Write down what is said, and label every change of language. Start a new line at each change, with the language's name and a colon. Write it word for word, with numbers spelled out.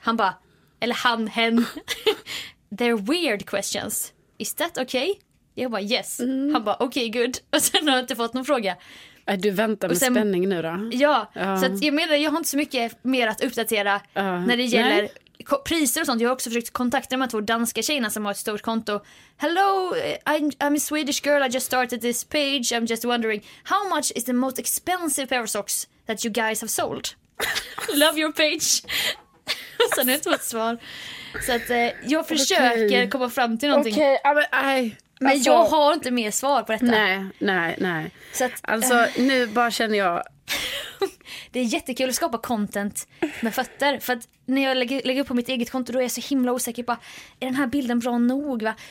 Swedish: Han bara, eller han, hen.
English: They're weird questions. Is that okay?
Swedish: Jag bara, yes. Mm. Han bara, okay, good. Och sen har jag inte fått någon fråga. Du väntar med sen, spänning nu då. Ja, uh. så att jag menar, jag har inte så mycket mer att uppdatera uh. när det gäller... Nej. Priser och sånt. Jag har också försökt kontakta de här två danska tjejerna som har ett stort konto.
English: Hello, I'm, I'm a Swedish girl, I just started this page, I'm just wondering how much is the most expensive pair of socks that you guys have sold? Love your page.
Swedish: Och sen är det inte ett svar. Så att eh, jag försöker okay. komma fram till någonting. Okej, okay, men I... Men alltså, jag har inte mer svar på detta. Nej, nej, nej. Så att, alltså, äh... nu bara känner jag... Det är jättekul att skapa content med fötter. För att när jag lägger, lägger upp på mitt eget konto, då är jag så himla osäker på, är den här bilden bra nog, va?